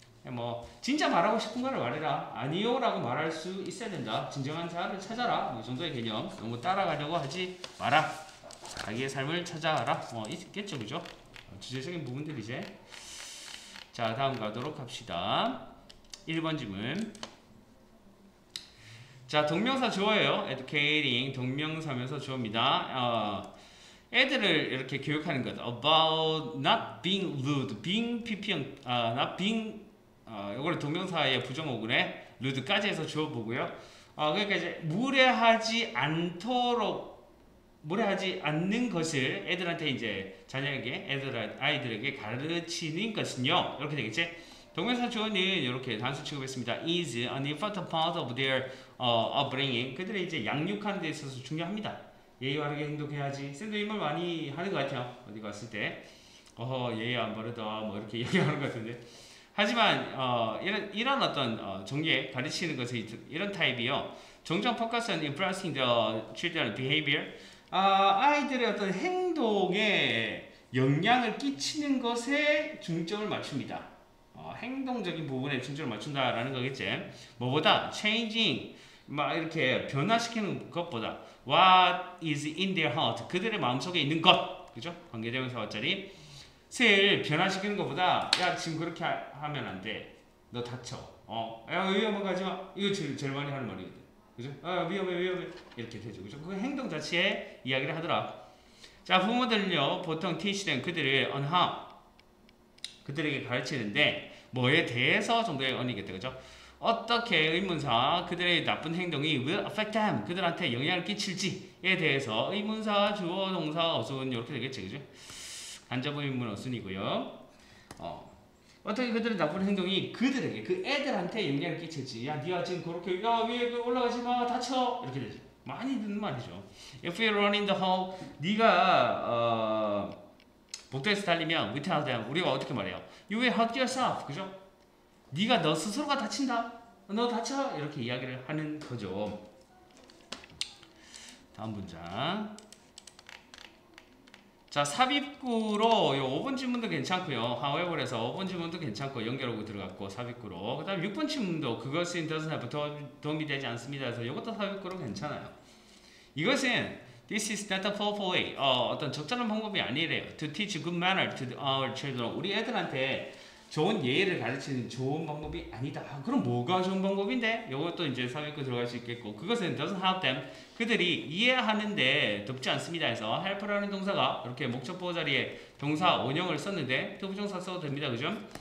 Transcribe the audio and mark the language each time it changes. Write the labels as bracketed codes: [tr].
[ko] 뭐 진짜 말하고 싶은 걸 말해라 아니요 라고 말할 수 있어야 된다 진정한 자아를 찾아라 이 정도의 개념 너무 따라가려고 하지 마라 자기의 삶을 찾아라 뭐 있겠죠 그죠? 주제적인 부분들 이제 자 다음 가도록 합시다. 1번 질문 자 동명사 주어예요. educating 동명사면서 주어입니다. 애들을 이렇게 교육하는 것 [en] about not being rude being [ko] PP형 not being 요거를 동명사의 부정어근에 루드까지 해서 주어보고요. 그러니까 이제 무례하지 않도록 무례하지 않는 것을 애들한테 이제 자녀에게 애들 아이들에게 가르치는 것은요 이렇게 되겠지. 동명사 주어는 이렇게 단수 취급했습니다. [en] Is an important part of their upbringing. [ko] 그들의 이제 양육하는 데 있어서 중요합니다. 예의바르게 행동해야지. 쌤도 이 말 많이 하는 것 같아요. 어디 갔을 때 예의 안 바르다 뭐 이렇게 얘기하는 것 같은데. 하지만 이런 어떤 정리에 가르치는 것의 이런 타입이요. 종종 포커스는 [en] influencing the children's behavior. [ko] 아이들의 어떤 행동에 영향을 끼치는 것에 중점을 맞춥니다. 행동적인 부분에 중점을 맞춘다라는 거겠지. 뭐보다 changing 막 이렇게 변화시키는 것보다 [en] what is in their heart [ko] 그들의 마음속에 있는 것 그죠? 관계대명사 왓자리 슬 변화시키는 것보다 야 지금 그렇게 하면 안 돼. 너 다쳐. 야 위험한 거 하지 마. 이거 제일 많이 하는 말이거든. 그죠? 위험해 위험해 이렇게 되죠. 그죠? 그 행동 자체에 이야기를 하더라. 자 부모들은요 보통 [en] teach them [ko] 그들을 on how 그들에게 가르치는데 뭐에 대해서 정도의 언니겠다 그죠? 어떻게 의문사 그들의 나쁜 행동이 [en] will affect them [ko] 그들한테 영향을 끼칠지에 대해서 의문사 주어 동사 어순 이렇게 되겠죠 그죠? 간접 의문 어순이고요. 어떻게 그들의 나쁜 행동이 그들에게 그 애들한테 영향을 끼칠지 야 니가 지금 그렇게 야 위에 올라가지 마 다쳐 이렇게 되죠. 많이 듣는 말이죠. [en] If you run in the hall [ko] 니가 복도에서 달리면 [en] we tell them [ko] 우리가 어떻게 말해요? [en] You will hurt yourself [ko] 그죠? 네가 너 스스로가 다친다. 너 다쳐 이렇게 이야기를 하는 거죠. 다음 문장. 자 삽입구로 요 5번 질문도 괜찮고요. However에서 5번 질문도 괜찮고 연결하고 들어갔고 삽입구로. 그다음 6번 질문도 그것은 [en] doesn't have [ko] 도움이 되지 않습니다. 그래서 이것도 삽입구로 괜찮아요. 이것은 [en] This is not a proper way. [ko] 어떤 적절한 방법이 아니래요. [en] To teach good manners to our children. [ko] 우리 애들한테 좋은 예의를 가르치는 좋은 방법이 아니다. 그럼 뭐가 좋은 방법인데? 이것도 이제 삽입구 들어갈 수 있겠고 그것은 [en] doesn't help them. [ko] 그들이 이해하는데 돕지 않습니다. 해서 help라는 동사가 이렇게 목적보호 자리에 동사 원형을 썼는데 투부정사 써도 됩니다. 그죠?